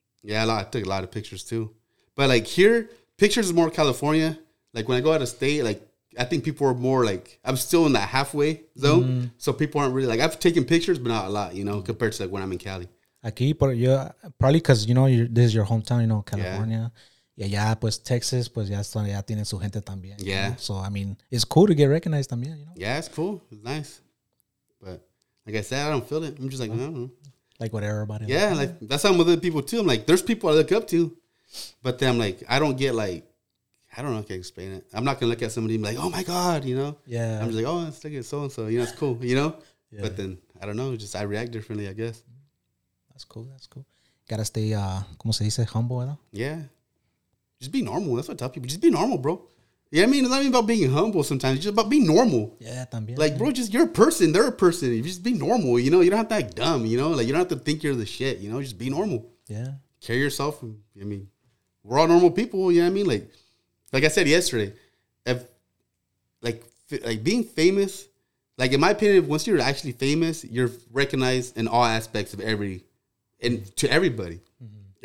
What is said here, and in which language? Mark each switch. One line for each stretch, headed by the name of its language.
English: Yeah, I took a lot of pictures too. But like here, pictures are more California. Like when I go out of state, like I think people are more like, I'm still in that halfway zone. Mm. So people aren't really like, I've taken pictures, but not a lot, you know, compared to like when I'm in Cali. Aquí, but yeah, probably because, you know, this is your hometown, you know, California. Yeah.
Spanish: Yeah, pues Texas, pues ya tiene su gente también.
English: Yeah. You know? So, I mean, it's cool to get recognized también, you know? Yeah, it's cool. It's nice. But like I said, I don't feel it. I'm just like, no. Like whatever about it. Yeah, like that's how I'm with other people too. I'm like, there's people I look up to. But then I'm like, I don't get like, I don't know if I can explain it. I'm not going to look at somebody and be like, oh my God, you know? Yeah. I'm just like, oh, let's look at so-and-so. You know, it's cool, you know? Yeah. But then, I don't know, just I react differently, I guess. That's cool.
Spanish: Gotta stay, como se dice, humble, ¿verdad?
English: Yeah. Just be normal. That's what I tell people. Just be normal, bro. Yeah, you know I mean? It's not even about being humble sometimes. It's just about being normal. Yeah, también. Like, bro, just you're a person. They're a person. You just be normal, you know? You don't have to act dumb, you know? Like, you don't have to think you're the shit, you know? Just be normal. Yeah. Carry yourself. I mean, we're all normal people, you know what I mean? Like I said yesterday, if being famous, like, in my opinion, once you're actually famous, you're recognized in all aspects of every... And to everybody, mm-hmm.